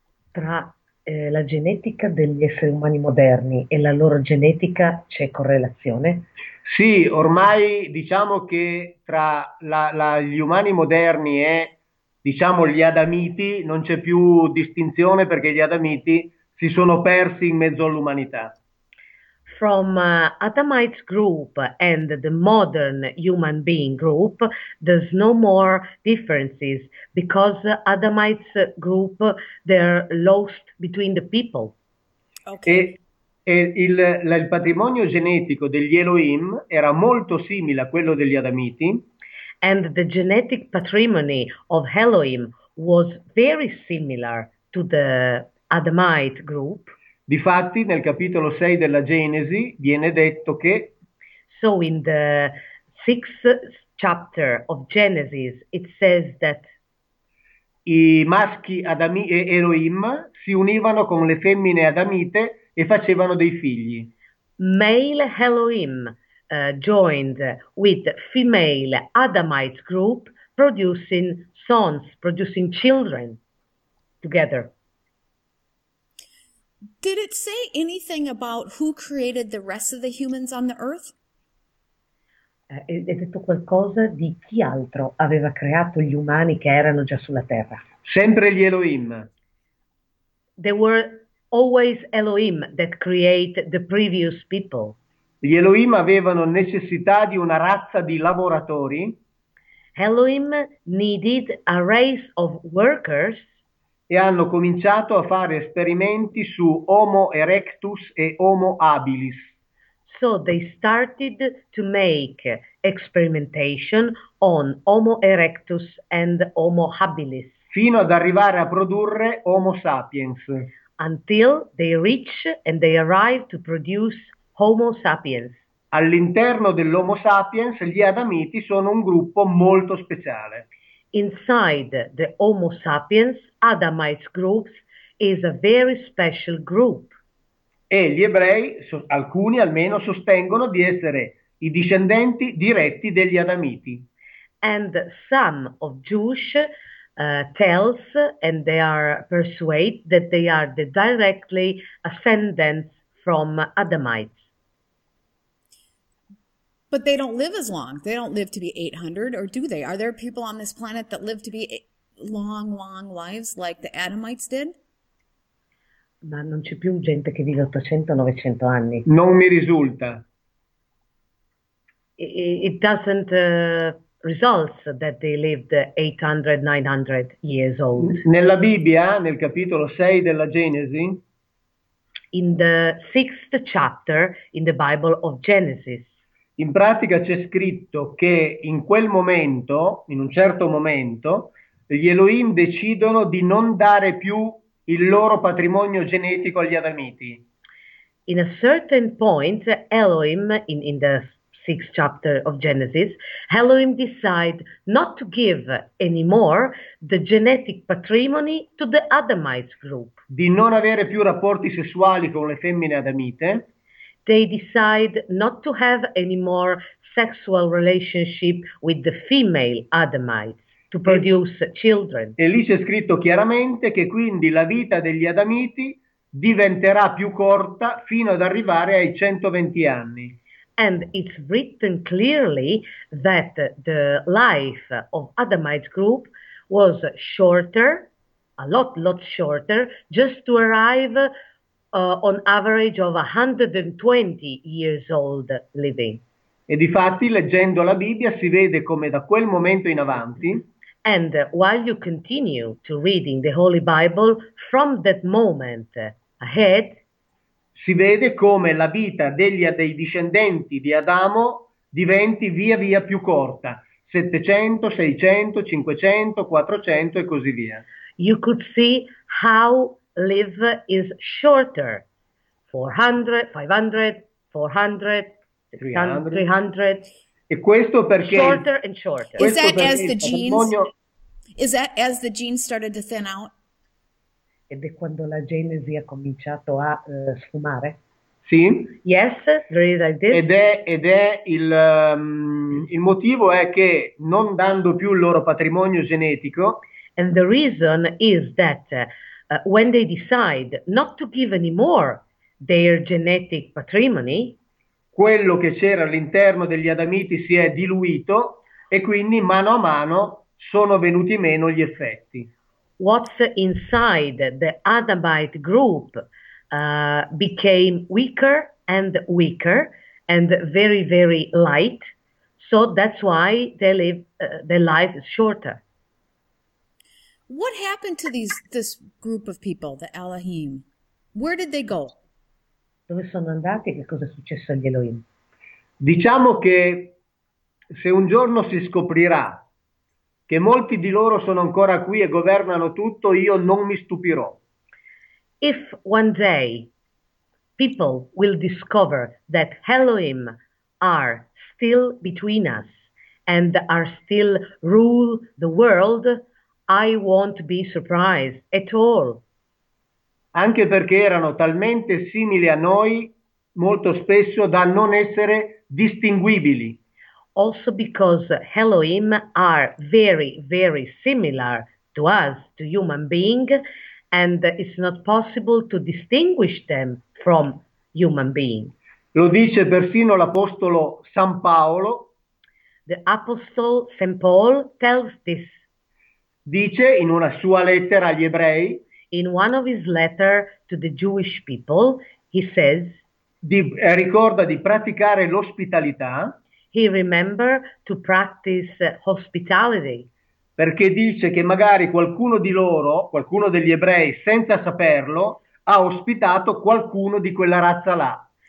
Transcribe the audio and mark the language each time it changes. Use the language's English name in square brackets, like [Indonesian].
[Italian] Tra la genetica degli esseri umani moderni e la loro genetica c'è correlazione? Sì, ormai diciamo che tra gli umani moderni e diciamo gli adamiti non c'è più distinzione perché gli adamiti si sono persi in mezzo all'umanità. [English] From Adamite group and the modern human being group, there's no more differences because Adamite group, they're lost between the people. Ok. [Italian] E il patrimonio genetico degli Elohim era molto simile a quello degli Adamiti. [English] And the genetic patrimony of Elohim was very similar to the Adamite group. [Italian] Difatti, nel capitolo 6 della Genesi viene detto che [English] So in the sixth chapter of Genesis it says that [Italian] i maschi Adami e Elohim si univano con le femmine Adamite e facevano dei figli. [English] male Elohim joined with female Adamite group producing sons, producing children together. Did it say anything about who created the rest of the humans on the earth? [Italian] Ha detto qualcosa di chi altro aveva creato gli umani che erano già sulla terra. Sempre gli Elohim. [English] There were always Elohim that create the previous people. [Italian] Gli Elohim avevano necessità di una razza di lavoratori e [English] Elohim needed a race of workers. [Italian] hanno cominciato a fare esperimenti su Homo erectus e Homo habilis. [English] So they started to make experimentation on Homo erectus and Homo habilis [Italian] Fino ad arrivare a produrre Homo sapiens. [English] until they reach and they arrive to produce Homo sapiens. [Italian] All'interno dell'Homo sapiens, gli Adamiti sono un gruppo molto speciale. [English] Inside the Homo sapiens, Adamite groups is a very special group. [Italian] E gli ebrei, alcuni almeno, sostengono di essere i discendenti diretti degli Adamiti. [English] And some of Jewish tells and they are persuade that they are the directly ascendants from Adamites. But they don't live as long. They don't live to be 800, or do they? Are there people on this planet that live to be long, long lives like the Adamites did? [Italian] Ma non c'è più gente che vive 800-900 anni. Non mi risulta. [English] It doesn't results that they lived 800-900 years old. [Italian] Nella Bibbia, nel capitolo 6 della Genesi, [English] In the sixth chapter in the Bible of Genesis. [Italian] in pratica c'è scritto che in quel momento, in un certo momento, gli Elohim decidono di non dare più il loro patrimonio genetico agli Adamiti. [English] In a certain point, Elohim, in the sixth chapter of Genesis, Elohim decide not to give anymore the genetic patrimony to the Adamite group. [Italian] Di non avere più rapporti sessuali con le femmine adamite. [English] They decide not to have any more sexual relationship with the female Adamites to produce children. [Italian] E lì c'è scritto chiaramente che quindi la vita degli adamiti diventerà più corta fino ad arrivare ai 120 anni. [English] And it's written clearly that the life of Adamite group was shorter, a lot shorter, just to arrive on average of 120 years old living. [Italian] E difatti, leggendo la Bibbia, si vede come da quel momento in avanti, [English] And while you continue to reading the Holy Bible from that moment ahead, [Italian] si vede come la vita dei discendenti di Adamo diventi via via più corta, 700, 600, 500, 400 e così via. [English] you could see how live is shorter. 400, 500, 400, 600, 300. 300. [Italian] E questo perché [English] Shorter and shorter. Is that as the genes started to thin out? [Italian] ed è quando la genesi ha cominciato a sfumare. Sì. [English] Yes, there is like this. [Italian] Ed è il motivo è che non dando più il loro patrimonio genetico. [English] And the reason is that when they decide not to give anymore their genetic patrimony, [Italian] Quello che c'era all'interno degli adamiti si è diluito e quindi mano a mano sono venuti meno gli effetti. [English] what's inside the Adamite group became weaker and weaker and very, very light. So that's why their life is shorter. What happened to this group of people, the Elohim? Where did they go? [Italian] Dove sono andati e che cosa è successo agli Elohim? Diciamo che se un giorno si scoprirà che molti di loro sono ancora qui e governano tutto, io non mi stupirò. [English] If one day people will discover that Elohim are still between us and are still rule the world, I won't be surprised at all. [Italian] Anche perché erano talmente simili a noi, molto spesso da non essere distinguibili. [English] Also because Elohim are very, very similar to us, to human beings, and it's not possible to distinguish them from human beings. [Italian] Lo dice persino l'Apostolo San Paolo. [English] The Apostle St. Paul tells this [Italian] Dice in una sua lettera agli ebrei, [English] in one of his letters to the Jewish people. He says, [Italian] Ricorda di praticare l'ospitalità perché [English] he remember to practice hospitality. [Italian] dice che magari qualcuno di loro, qualcuno degli ebrei, senza saperlo, ha ospitato qualcuno di quella razza là.